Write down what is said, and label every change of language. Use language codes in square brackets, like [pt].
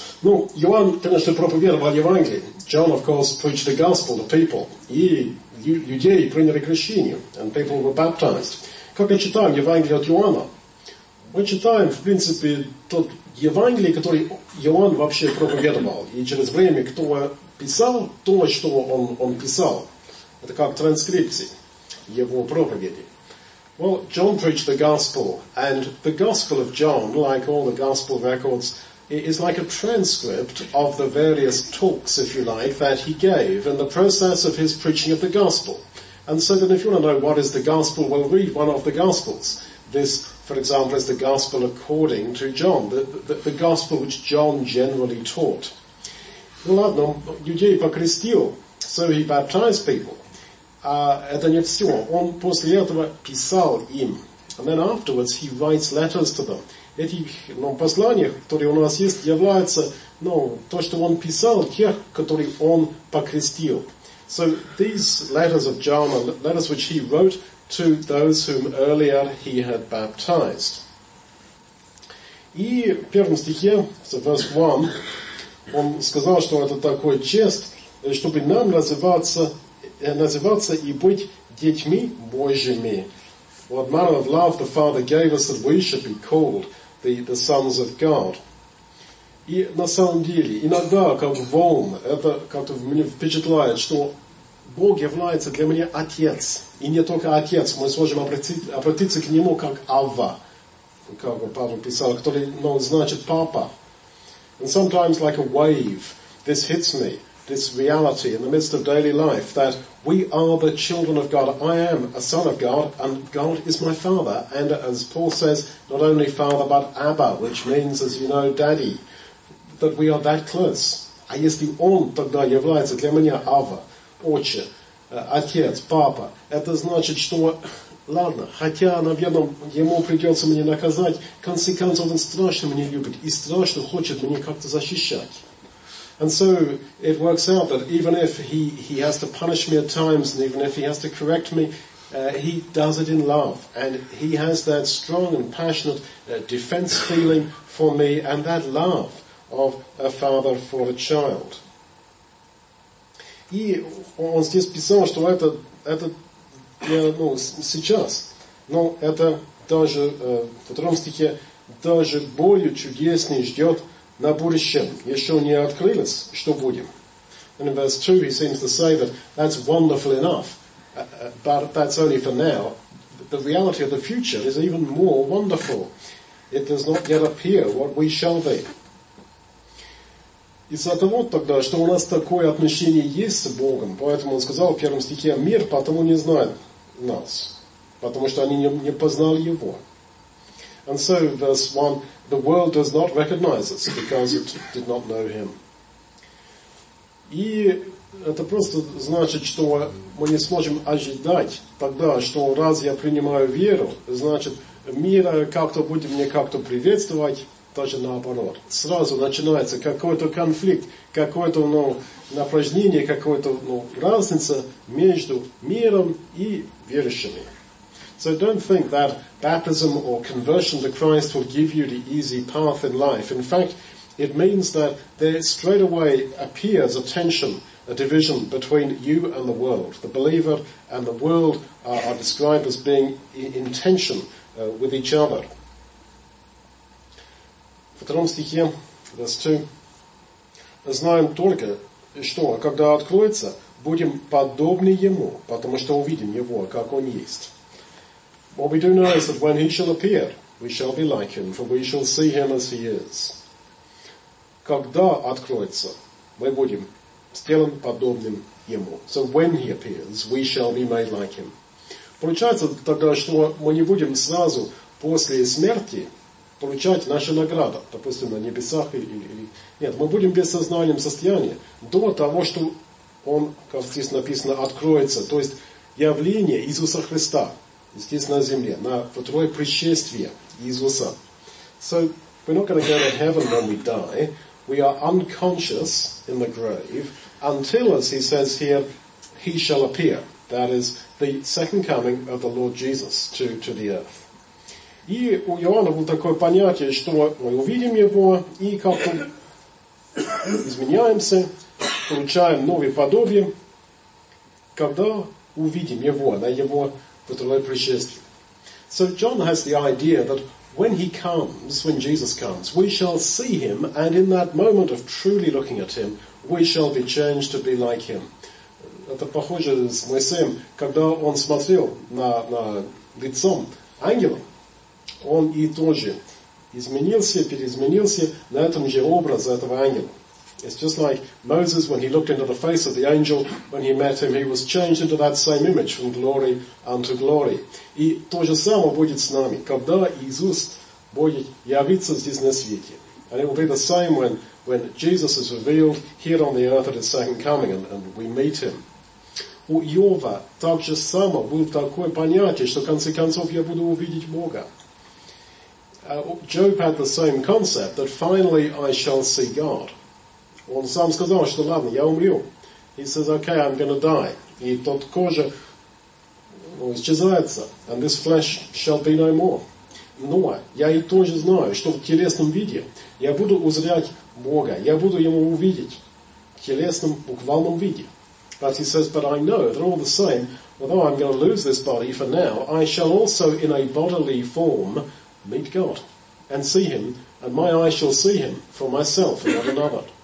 [ru] Ну, Иоанн, конечно, проповедовал Евангелие. [en] John, of course, preached the gospel to people. [ru] И людей приняли крещение. [en] And people were baptized. [ru] Как мы читаем Евангелие от Иоанна? Мы читаем, в принципе, тот Евангелие, который Иоанн вообще проповедовал. И через время, кто писал то, что он писал, это как транскрипции его проповеди. [en] Well, John preached the gospel, and the gospel of John, like all the gospel records, is like a transcript of the various talks, if you like, that he gave in the process of his preaching of the gospel. And so then if you want to know what is the gospel, well, read one of the gospels. This, for example, is the gospel according to John, the gospel which John generally taught. Well, [ru] ладно, людей покрестил, [en] so he baptized people. [ru] Это не все. Он после этого писал им. [en] And then afterwards he writes letters to them. [ru] Этих, ну, посланиях, которые у нас есть, является, ну, то, что он писал тех, которых он покрестил. [en] So these letters of John are letters which he wrote to those whom earlier he had baptized. [ru] И в первом стихе, [en] so verse 1, [ru] он сказал, что это такой чест, чтобы нам называться и быть детьми Божьими. [en] What manner of love the Father gave us that we should be called the sons of God. [ru] И на самом деле, иногда, как волн, это как-то мне впечатляет, что Бог является для меня Отец. И не только Отец, мы сможем обратиться к Нему как Авва, как Павел писал, который, ну, значит Папа. [en] And sometimes, like a wave, this hits me. This reality in the midst of daily life that we are the children of God. I am a son of God and God is my father. And as Paul says, not only father but Abba, which means, as you know, daddy. That we are that close. [ru] А если он тогда является для меня Ава, отче, отец, папа, это значит, что, ладно, хотя, наверное, ему придется мне наказать, в конце концов, он страшно меня любит и страшно хочет меня как-то защищать. [en] And so it works out that even if he has to punish me at times, and even if he has to correct me, he does it in love. And he has that strong and passionate defense feeling for me, and that love of a father for a child. [ru] И он здесь писал, что это я, ну, сейчас, но это даже в втором стихе, даже более чудесный ждет на будущем, еще не открылось, что будем. [en] And in verse 2 he seems to say that that's wonderful enough, but that's only for now. The reality of the future is even more wonderful. It does not yet appear what we shall be. [ru] Из-за того тогда, что у нас такое отношение есть с Богом, поэтому он сказал в первом стихе, мир потому не знает нас, потому что они не познали Его. [en] And so, verse 1, the world does not recognize us because it did not know him. [ru] И это просто значит, что мы не сможем ожидать тогда, что раз я принимаю веру, значит, мир как-то будет мне как-то приветствовать, даже наоборот. Сразу начинается какой-то конфликт, какое-то, ну, напряжение, какая-то, ну, разница между миром и верующими. [en] So don't think that baptism or conversion to Christ will give you the easy path in life. In fact, it means that there straight away appears a tension, a division between you and the world. The believer and the world are described as being in tension with each other. [ru] В втором стихе, [en] verse 2, [ru] знаем только, что когда откроется, будем подобны Ему, потому что увидим Его, как Он есть. [en] What we do know is that when he shall appear, we shall be like him, for we shall see him as he is. [ru] Когда откроется, мы будем сделан подобным ему. [en] So when he appears, we shall be made like him. [ru] Получается тогда, что мы не будем сразу после смерти получать нашу награду, допустим, на небесах или... Нет, мы будем в бессознательном состоянии до того, что он, как здесь написано, откроется, то есть явление Иисуса Христа. Здесь на земле, на второе пришествие Иисуса. [en] So, we're not going to go to heaven when we die. We are unconscious in the grave until, as he says here, he shall appear. That is, the second coming of the Lord Jesus to the earth. [ru] И у Иоанна было такое понятие, что мы увидим его и как-то изменяемся, получаем новые подобия, когда увидим его, на его второе пришествие. [en] So John has the idea that when he comes, when Jesus comes, we shall see him, and in that moment of truly looking at him, we shall be changed to be like him. [ru] Это похоже с Моисеем, когда он смотрел на лицом ангела, он и тоже изменился, переизменился на этом же образе этого ангела. [en] It's just like Moses, when he looked into the face of the angel, when he met him, he was changed into that same image from glory unto glory. [ru] И то же самое будет с нами, когда Иисус будет явиться здесь на свете. [en] And it will be the same when Jesus is revealed here on the earth at his second coming and we meet him. [ru] У Иова так же само было такое понятие, что в конце концов я буду увидеть Бога. [en] Job had the same concept, that finally I shall see God. [ru] Он сам сказал, что ладно, я умру. [en] He says, okay, I'm going to die. [ru] И тот кожа исчезается. [en] And this flesh shall be no more. [ru] Но я и тоже знаю, что в телесном виде я буду узрять Бога. Я буду Ему увидеть в телесном, буквальном виде. [en] But he says, but I know that all the same, although I'm going to lose this body for now, I shall also in a bodily form meet God and see him, and my eyes shall see him for myself and not another.